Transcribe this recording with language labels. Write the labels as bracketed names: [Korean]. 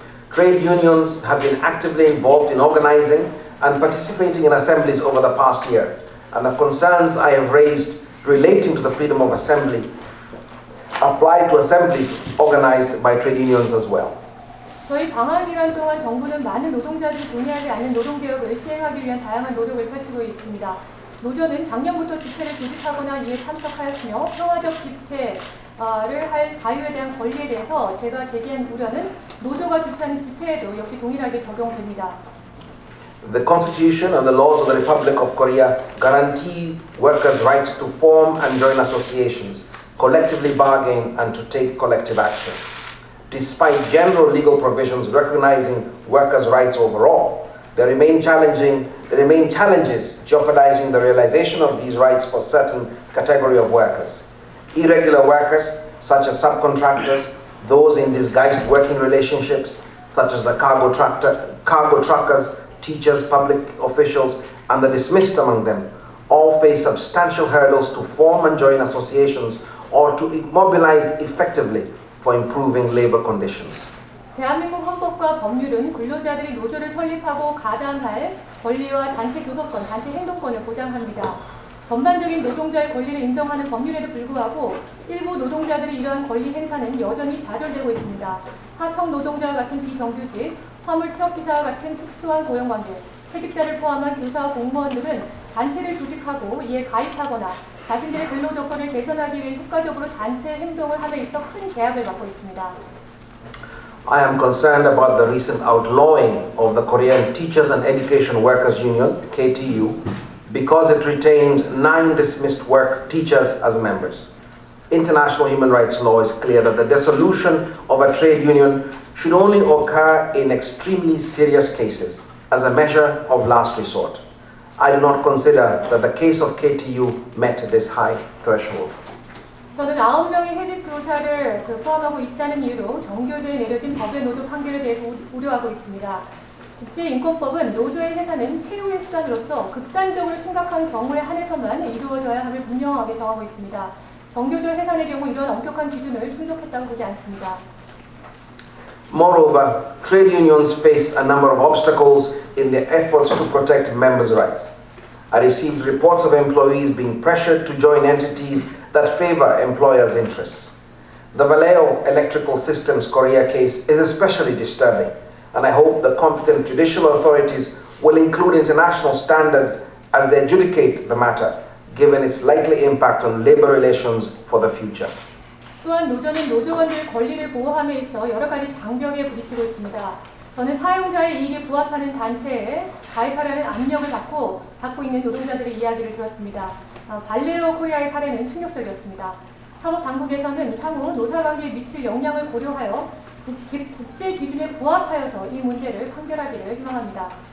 [English] Trade unions have been actively involved in organizing and participating in assemblies over the past year, and the concerns I have raised relating to the freedom of assembly apply to assemblies organized by trade unions as well. [Korean] 저희 방한 기간 동안 정부는 많은 노동자들이 동의하지 않는 노동개혁을 시행하기 위한 다양한 노력을 펼치고 있습니다. 노조는 작년부터 집회를 조직하거나 이에 참석하였으며 평화적 집회를 할 자유에 대한 권리에 대해서 제가 제기한 우려는 노조가 주최하는 집회에도 역시 동일하게 적용됩니다. [English] The Constitution and the laws of the Republic of Korea guarantee workers' rights to form and join associations, collectively bargain, and to take collective action. Despite general legal provisions recognizing workers' rights overall, there remain challenges jeopardizing the realization of these rights for certain category of workers. Irregular workers, such as subcontractors, those in disguised working relationships, such as the cargo truckers, teachers, public officials, and the dismissed among them, all face substantial hurdles to form and join associations or to mobilize effectively for improving labor conditions. [Korean] 대한민국 헌법과 법률은 근로자들이 노조를 설립하고 가담할 권리와 단체 교섭권, 단체 행동권을 보장합니다. 전반적인 노동자의 권리를 인정하는 법률에도 불구하고 일부 노동자들이 이러한 권리 행사는 여전히 좌절되고 있습니다. 하청 노동자와 같은 비정규직, 화물 트럭 기사와 같은 특수한 고용 관계, 퇴직자를 포함한 교사와 공무원들은 단체를 조직하고 이에 가입하거나 자신들의 근로 조건을 개선하기 위해 효과적으로 단체 행동을 함에 있어 큰 제약을 맞고 있습니다. [English] I am concerned about the recent outlawing of the Korean Teachers and Education Workers Union, KTU, because it retained 9 dismissed work teachers as members. International human rights law is clear that the dissolution of a trade union should only occur in extremely serious cases as a measure of last resort. I do not consider that the case of KTU met this high threshold. [Korean] 저는 9명의 해직 교사를 포함하고 있다는 이유로 정교대에 내려진 법의 노조 판결에 대해서 우려하고 있습니다. 국제인권법은 노조의 해산은 최후의 수단으로서 극단적으로 심각한 경우에 한해서만 이루어져야 함을 분명하게 정하고 있습니다. 정교조 해산의 경우 이런 엄격한 기준을 충족했다고 보지 않습니다. [English] Moreover, trade unions face a number of obstacles in their efforts to protect members' rights. I received reports of employees being pressured to join entities that favor employers' interests. The Valeo Electrical Systems Korea case is especially disturbing, and I hope the competent judicial authorities will include international standards as they adjudicate the matter, given its likely impact on labor relations for the future. [Korean] 또한 노조는 노조원들의 권리를 보호함에 있어 여러 가지 장벽에 부딪히고 있습니다. 저는 사용자의 이익에 부합하는 단체에 가입하려는 압력을 받고 있는 노동자들의 이야기를 들었습니다. 발레오 코리아의 사례는 충격적이었습니다. 사법 당국에서는 향후 노사관계에 미칠 영향을 고려하여 국제 기준에 부합하여서 이 문제를 판결하기를 희망합니다.